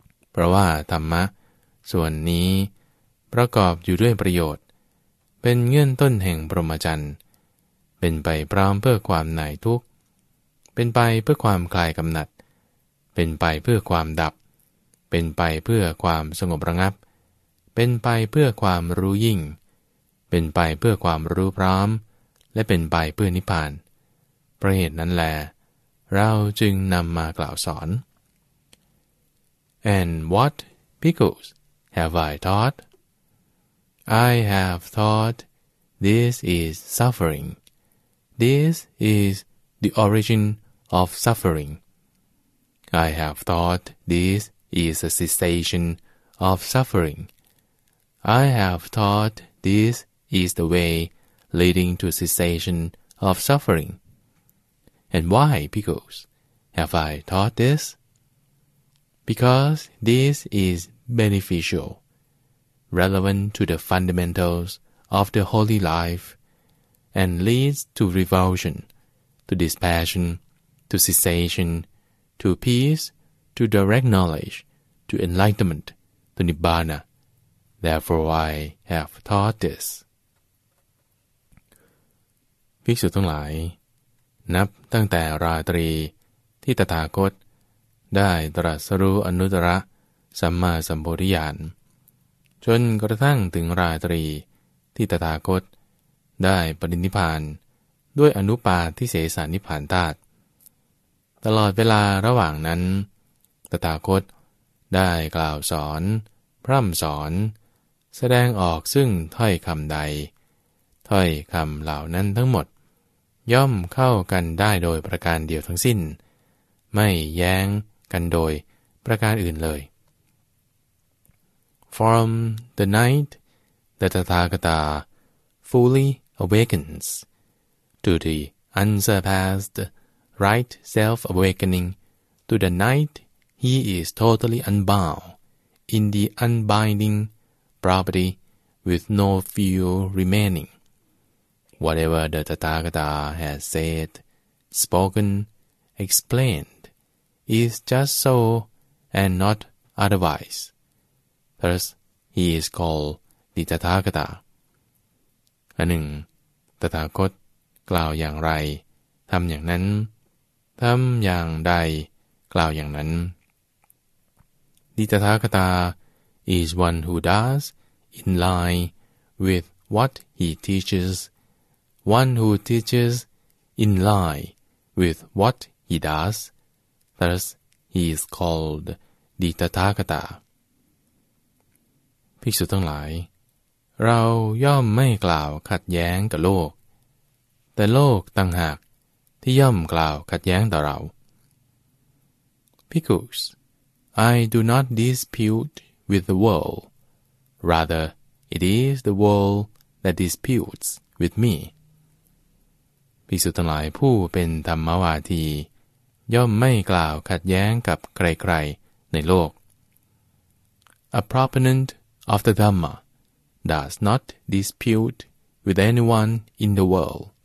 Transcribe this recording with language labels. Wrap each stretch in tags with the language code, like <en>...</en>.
<th>เพราะว่าธรรมะส่วนนี้ประกอบอยู่ด้วยประโยชน์เป็นเงื่อนต้นแห่งพรหมจรรย์เป็นไปพร้อมเพื่อความหน่ายทุกข์เป็นไปเพื่อความคลายกำหนัดเป็นไปเพื่อความดับเป็นไปเพื่อความสงบระงับเป็นไปเพื่อความรู้ยิ่งเป็นไปเพื่อความรู้พร้อม และเป็นไปเพื่อนิพพานเพราะเหตุนั้นแลเราจึงนำมากล่าวสอน</th> <en>And what, Bhikkhus, have I taught? I have taught this is suffering. This is the origin of suffering. I have taught this is a cessation of suffering. I have taught this is the way leading to cessation of suffering. And why, Bhikkhus, have I taught this? Because this is beneficial, relevant to the fundamentals of the holy life, and leads to revulsion, to dispassion, to cessation, to peace, to direct knowledge, to enlightenment, to nibbana. Therefore I have taught this.</en> <th>ภิกษุทั้งหลายนับตั้งแต่ราตรีที่ตถาคตได้ตรัสรู้อนุตตรสัมมาสัมโพธิญาณจนกระทั่งถึงราตรีที่ตถาคตได้ปรินิพพานด้วยอนุปาทิเสสนิพพานธาตุ ตลอดเวลาระหว่างนั้นตถาคตได้กล่าวสอนพร่ำสอนแสดงออกซึ่งถ้อยคำใด ถ้อยคำเหล่านั้นทั้งหมดย่อมเข้ากันได้โดยประการเดียวทั้งสิ้น ไม่แย้งกันโดยประการอื่นเลย</th> <en>From the night the Tathagata fully awakens to the unsurpassed right self-awakening to the night he is totally unbound in the unbinding property with no fuel remaining. Whatever the Tathagata has said, spoken, explained, is just so and not otherwise. Thus, he is called the Tathagata.</en> <th>อันหนึ่งตถาคตกล่าวอย่างไรทำอย่างนั้นทำอย่างใดกล่าวอย่างนั้น</th> <en>The Tathagata is one who does in line with what he teaches, one who teaches in line with what he does. Thus, he is called the Tathagata.</en> <th>ภิกษุทั้งหลายเราย่อมไม่กล่าวขัดแย้งกับโลกแต่โลกต่างหากที่ย่อมกล่าวขัดแย้งต่อเรา</th> <en>Bhikkhus, I do not dispute with the world. Rather, it is the world that disputes with me.</en> <th>ภิกษุทั้งหลายผู้เป็นธรรมวาทีย่อมไม่กล่าวขัดแย้งกับใครๆในโลก</th> <en>A proponent of the Dhamma does not dispute with anyone in the world.</en>